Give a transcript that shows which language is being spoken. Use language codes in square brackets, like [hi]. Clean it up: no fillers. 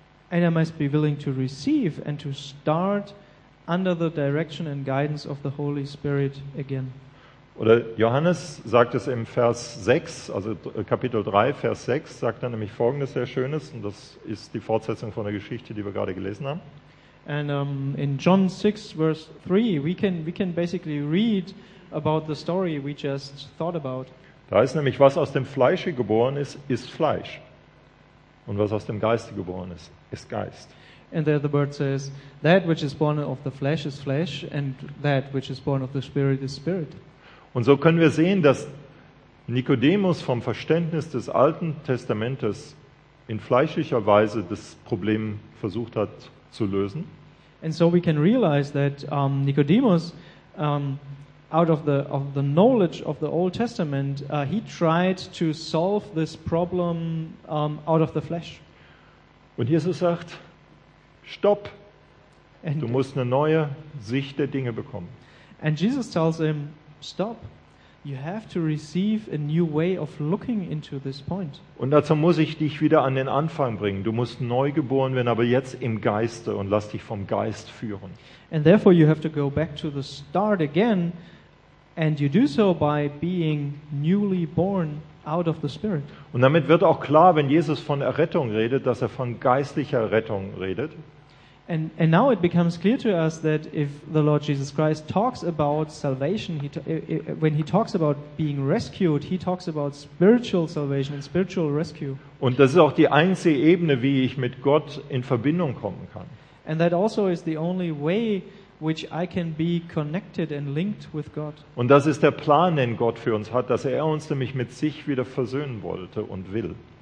[en] And I must be willing to receive and to start under the direction and guidance of the Holy Spirit again. [de] Oder Johannes sagt es im Vers 6, also Kapitel 3, Vers 6, sagt dann nämlich Folgendes sehr Schönes, und das ist die Fortsetzung von der Geschichte, die wir gerade gelesen haben. [en] And in John 6, verse 3, we can basically read about the story we just thought about. [de] Da ist nämlich, was aus dem Fleische geboren ist, ist Fleisch. Und was aus dem Geiste geboren ist, ist Geist. [en] And there the word says, that which is born of the flesh is flesh, and that which is born of the Spirit is Spirit. [de] Und so können wir sehen, dass Nikodemus vom Verständnis des Alten Testamentes in fleischlicher Weise das Problem versucht hat zu lösen. [en] And so we can realize that Nicodemus out of the knowledge of the Old Testament he tried to solve this problem out of the flesh. [de] Und Jesus sagt, stopp. Du musst eine neue Sicht der Dinge bekommen. [en] And Jesus tells him, stop. You have to receive a new way of looking into this point. [de] Und dazu muss ich dich wieder an den Anfang bringen. Du musst neu geboren werden, aber jetzt im Geiste, und lass dich vom Geist führen. [en] And therefore you have to go back to the start again And you do so by being newly born out of the Spirit. [de] Und damit wird auch klar, wenn Jesus von Errettung redet, dass er von geistlicher Rettung redet. [en] And now it becomes clear to us that if the Lord Jesus Christ talks about salvation, when he talks about being rescued, he talks about spiritual salvation and spiritual rescue. [de] Und das ist auch die einzige Ebene, wie ich mit Gott in Verbindung kommen kann. [en] And that also is the only way which I can be connected and linked with God. [de] Und das ist der Plan, den Gott für uns hat, dass er uns nämlich mit sich wieder versöhnen wollte und will.